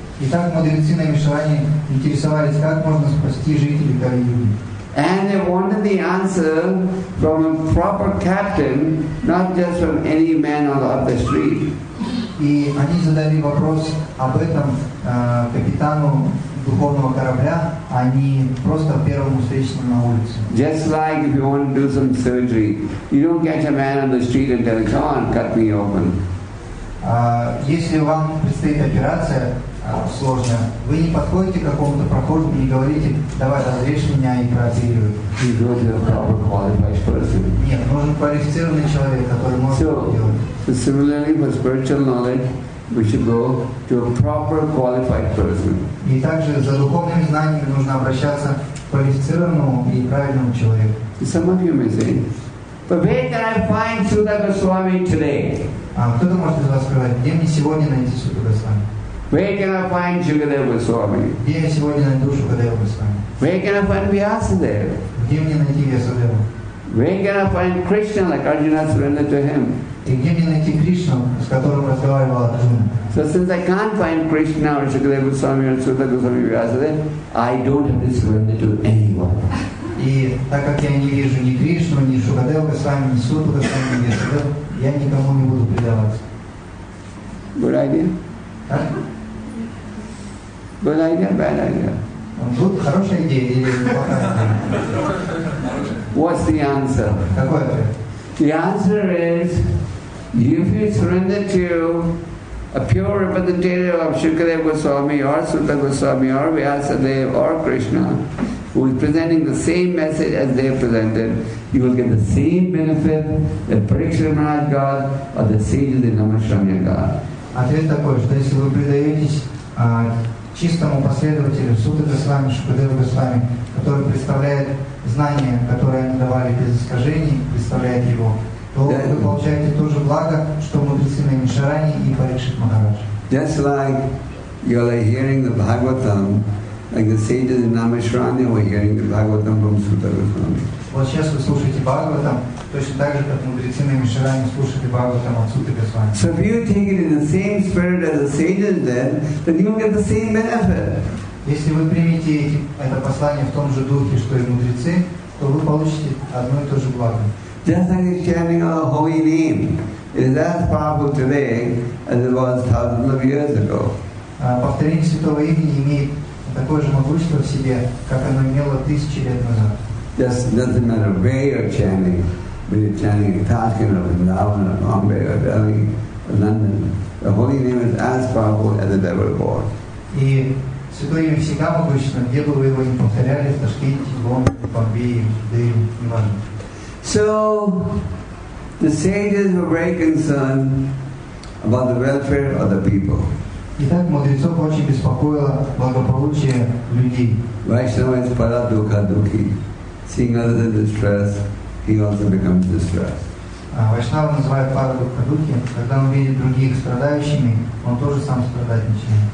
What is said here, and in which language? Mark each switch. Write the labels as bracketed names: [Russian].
[Russian] Итак, мудрецы на Мишване интересовались, как можно спасти жителей Кали Юги. [English] And they wanted the answer from a proper captain, not just from any man on the street. [Russian] И они задали вопрос об этом капитану духовного корабля, а не просто первому встречному на улице. [English] Just like if you want to do some surgery, you don't catch a man on the street and tell him, "Come on, cut me open." [Russian] Если вам предстоит операция сложная, вы не подходите к какому-то прохожему и не говорите, "Давай разрежь меня и прооперируй." [English] You go to a proper qualified person. [Russian] Нет, нужен квалифицированный человек, который может это делать. [English] So, similarly for spiritual knowledge, we should go to a proper qualified person. [Russian] И также за духовными знаниями нужно обращаться к квалифицированному и правильному человеку. [English] Some of you may say, "But where can I find Sudha Goswami today?" [Russian] А кто-то может из вас сказать, где мне сегодня найти Sudha Goswami? [English] Where can I find Shukadeva Goswami? [Russian] Где я сегодня найду Shukadeva Goswami? [English] Where can I find Vyasadeva? [Russian] Где мне найти Vyasadeva? [English] Where can I find Krishna like Arjuna surrendered to him? [Russian] И где мне найти Кришну, с которым разговаривал Арджуна? [English] So since I can't find Krishna or Shukadeva Goswami or Sudha Goswami Vyasadeva, I don't have to surrender to anyone. [Russian] И так как я не вижу ни Кришну, ни Shukadeva Goswami, ни Sudha Goswami, ни Vyasadeva, я никому не буду предаваться. [English] Good idea? Good idea, bad idea. [Russian] Good, хорошая идея или плохая идея? [English] What's the answer? [Russian] Какой ответ? [English] The answer is, if you surrender to a pure representative of Shukadeva Goswami or Sudha Goswami or Vyasadeva or Krishna, who is presenting the same message as they presented, you will get the same benefit that Parikshit Maharaj got or the sages in Namashramya got. [Russian] Ответ такой, что если вы предаетесь чистому последователю Судха Госвами, Шукадева Госвами, который представляет знания, которые они давали без искажений, представляет его, то вы получаете то же благо, что мудрецы на Мишаране и Парикшит Махарадж. [English] Just like you are hearing the Bhagavatam, like the sages in Namashrani were hearing the Bhagavatam from Sudha Goswami. [Russian] Вот сейчас вы слушаете Бхагаватам, точно так же, как мудрецы на Мишаране слушали Бхагаватам от Судхи Госвами. [English] So if you take it in the same spirit as the sages did, then you'll get the same benefit. [Russian] Если вы примете это послание в том же духе, что и мудрецы, то вы получите одно и то же благо. [English] Just like chanting our holy name, it is as powerful today as it was thousands of years ago. [Russian] Повторение святого имени имеет такое же могущество в себе, как оно имело тысячи лет назад. [English] Just doesn't matter where you're chanting, whether you're chanting in Tashkent or Vrindavan or Bombay or Delhi or London. The holy name is as powerful as it ever was. [Russian] И святое имя всегда могущественно, где бы вы его ни повторяли, в Ташкенте, в Лондоне, в Бомбее, в Дели, неважно. [English] So the sages were very concerned about the welfare of the people. [Russian] Итак, мудрецов очень беспокоило благополучие людей. [English] Vaishnava is para dukha dukhi. Seeing others in distress, he also becomes distressed. [Russian] Vaishnava называет para dukha dukhi. Когда он видит других страдающими, он тоже сам страдать начинает.